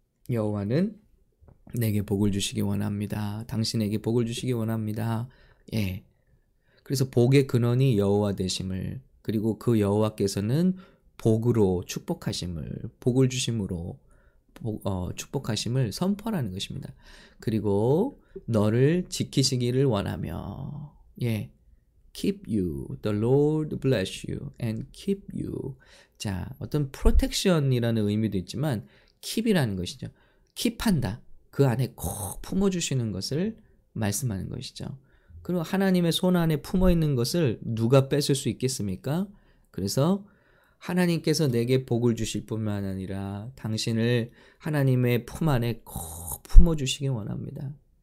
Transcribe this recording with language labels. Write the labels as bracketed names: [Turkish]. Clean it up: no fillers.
[Korean] 여호와는 내게 복을 주시기 원합니다. 당신에게 복을 주시기 원합니다. 그래서 복의 근원이 여호와 되심을, 그리고 그 여호와께서는 복으로 축복하심을, 복을 주심으로 축복하심을 선포하라는 것입니다. 그리고 너를 지키시기를 원하며, [English] keep you, the Lord bless you and keep you. [Korean] 자, 어떤 protection이라는 의미도 있지만 keep이라는 것이죠. keep한다. 그 안에 꼭 품어주시는 것을 말씀하는 것이죠. 그리고 하나님의 손 안에 품어 있는 것을 누가 뺏을 수 있겠습니까? 그래서 하나님께서 내게 복을 주실 뿐만 아니라 당신을 하나님의 품 안에 꼭 품어 주시기 원합니다.